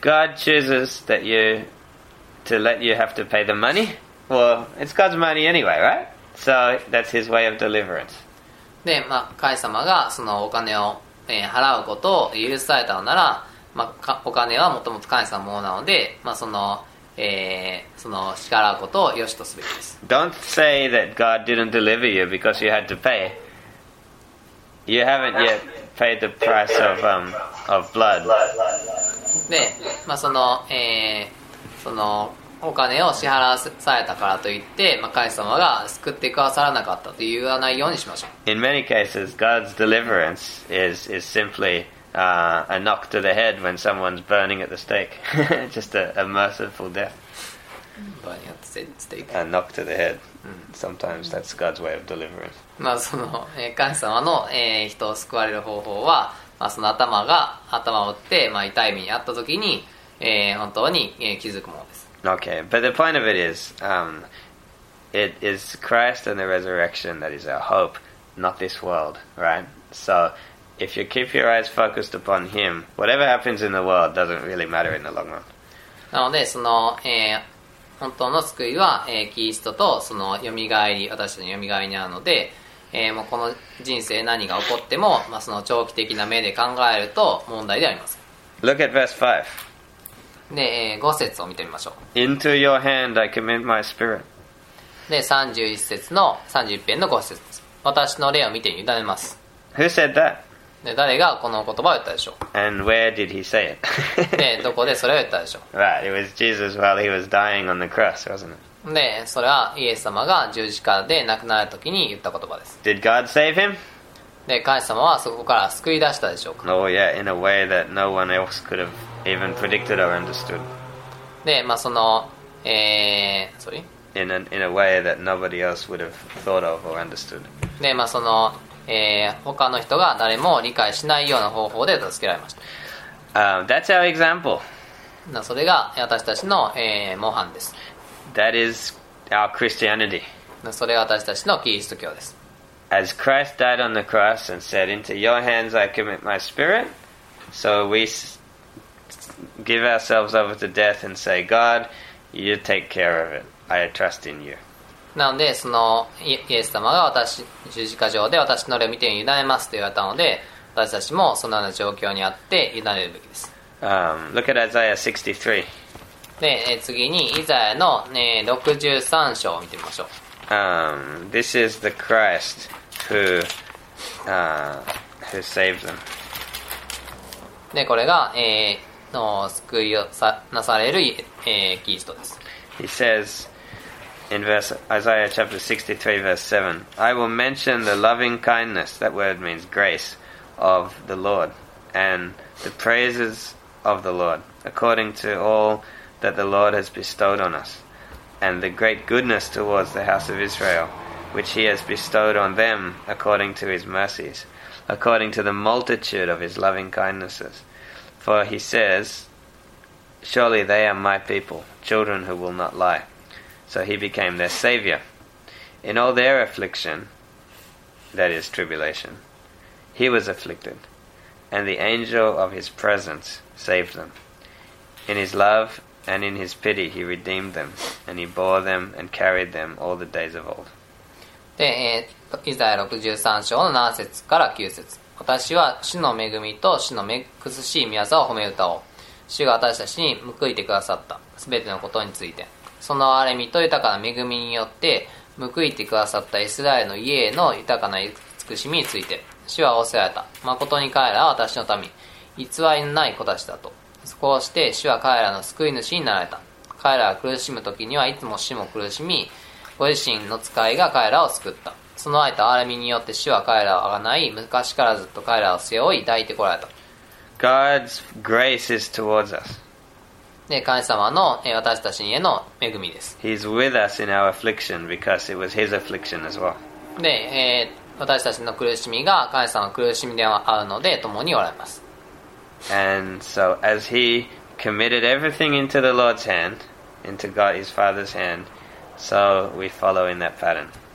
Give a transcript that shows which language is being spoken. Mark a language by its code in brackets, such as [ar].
[en] God chooses that you to let you have to pay the money, well, it's God's money anyway, right? So that's his way of deliverance. [ja] で、まあ、神様がそのお金を、払うことを許されたのなら、まあ、お金はもともと神様のものなので、まあ、その支払うことを良しとすべきです。 [en] Don't say that God didn't deliver you because you had to pay. You haven't yet paid the price of blood. [ja] で、まあ、その、お金を支払わされたからといって、まあ、神様が救ってくださらなかったと言わないようにしましょう。 [en] In many cases, God's deliverance is simply a knock to the head when someone's burning at the stake. Just a merciful death. Burning at the stake. A knock to the head. Sometimes that's God's way of deliverance. [ja] まあその、神様の、人を救われる方法は、まあ、その頭を打って、まあ、痛い目に遭った時に、本当に、気づくものです。 [en] Okay, but the point of it is, it is Christ and the resurrection that is our hope, not this world, right? So, if you keep your eyes focused upon Him, whatever happens in the world doesn't really matter in the long run. [ja] なので、その、本当の救いは、キリストとその蘇り、私の蘇りにあるので、もうこの人生何が起こっても、まあ、その長期的な目で考えると問題ではありません。 [en] Look at verse 5. [ja] で、5節を見てみましょう。 [en] Into your hand I commend my spirit. [ja] で、31節の31編の5節。私の霊を見て委ねます。 [en] Who said that? [ja] で、誰がこの言葉を言ったでしょう。 [en] And where did he say it? [ja] で、どこでそれを言ったでしょう。 [en] Right, it was Jesus while he was dying on the cross, wasn't it? [ja] で、それはイエス様が十字架で亡くなるときに言った言葉です。 [en] Did God save him? [ja] で、神様はそこから救い出したでしょうか。 [en] Oh yeah, in a way that no one else could have. Even predicted or understood. [ja] で、まあ、その、 [en] sorry? In a way that nobody else would have thought of or understood. [ja] で、まあ、その、他の人が誰も理解しないような方法で助けられました。 [en] That's our example. [ja] な、それが私たちの、模範です。 [en] That is our Christianity. [ja] な、それが私たちのキリスト教です。 [en] As Christ died on the cross and said, "Into your hands I commit my spirit," so we... give ourselves over to death and say, God, you take care of it. I trust in you. [ja] なので、その、イエス様が私、十字架上で私の霊を見て委ねますと言われたので、私たちもそのような状況にあって委ねるべきです。 [en] Look at Isaiah 63. [ja] で、次に、イザヤの、63章を見てみましょう。 [en] This is the Christ who saved them. [ja] で、これが、の救いをさなされる、キリストです。 [en] He says in verse Isaiah chapter 63 verse 7, I will mention the loving kindness, that word means grace, of the Lord, and the praises of the Lord, according to all that the Lord has bestowed on us, and the great goodness towards the house of Israel, which he has bestowed on them according to his mercies, according to the multitude of his loving kindnesses. For he says, Surely they are my people, children who will not lie. So he became their savior. In all their affliction, that is tribulation, he was afflicted, and the angel of his presence saved them. In his love And in his pity he redeemed them, and he bore them and carried them all the days of old. [ja] で、イザヤ63章の7節から9節。私は主の恵みと主の美しい御業を褒め歌おう。主が私たちに報いてくださった、すべてのことについて。その憐れみと豊かな恵みによって、報いてくださったイスラエルの家への豊かな慈しみについて。主は仰せられた。誠に彼らは私の民、偽りのない子たちだと。そこをして主は彼らの救い主になられた。彼らが苦しむ時にはいつも主も苦しみ、ご自身の使いが彼らを救った。その愛と憐れみによって主は彼らをあがない、昔からずっと彼らを背負い抱いてこられた。 [en] God's grace is towards us. [ja] で、神様の私たちへの恵みです。 [en] He's with us in our affliction because it was his affliction as well. [ja] で、私たちの苦しみが神様の苦しみではあるので共におられます。 [en] And so as he committed everything into the Lord's hand, into God his Father's hand, so we follow in that pattern.